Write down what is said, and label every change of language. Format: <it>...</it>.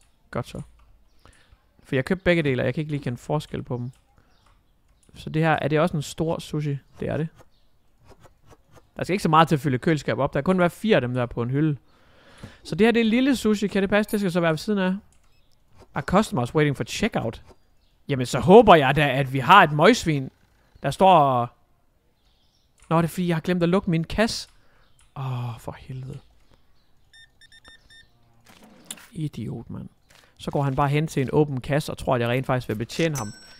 <da>Godt så. For jeg købte begge dele, og jeg kan ikke lige kende forskel på dem. Så det her, er det også en stor sushi? Det er det. Der skal ikke så meget til at fylde køleskab op. Der kan kun være 4 af dem der på en hylde. Så det her, det er en lille sushi. Kan det passe? Det skal så være ved siden af.</da> <en>Our customers waiting for checkout.</en> <da>Jamen, så håber jeg da, at vi har et møgsvin, der står og... Nå, det er fordi, jeg har glemt at lukke min kasse. Åh, for helvede. Idiot, mand. Så går han bare hen til en åben kasse og tror, at jeg rent faktisk vil betjene ham.</da>